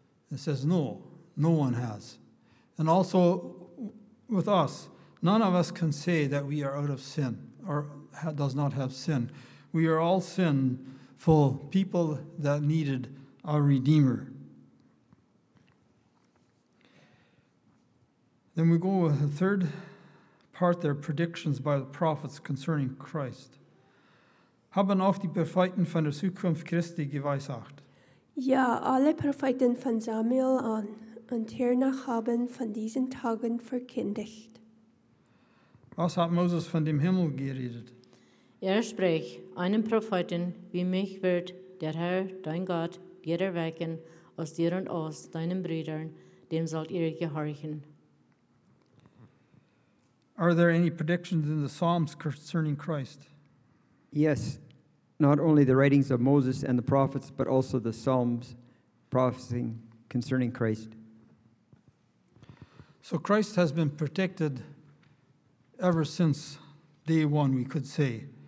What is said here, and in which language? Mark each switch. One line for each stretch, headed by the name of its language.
English: It says no, no one has. And also with us, none of us can say that we are out of sin or does not have sin. We are all sinful people that needed a Redeemer. Then we go with the third part, their predictions by the prophets concerning Christ.
German: Haben auch die Propheten von der Zukunft Christi geweissagt? Ja, alle Propheten von Samuel an und hernach haben von diesen Tagen verkündigt. Was hat Moses von dem Himmel geredet? Er spricht, einem Propheten wie mich wird der Herr, dein Gott, dir erwecken aus dir und aus deinen Brüdern, dem sollt ihr gehorchen.
English: Are there any predictions in the Psalms concerning Christ? Yes, not only the writings of Moses and the prophets, but also the Psalms prophesying concerning Christ. So Christ has been predicted ever since day one, we could say.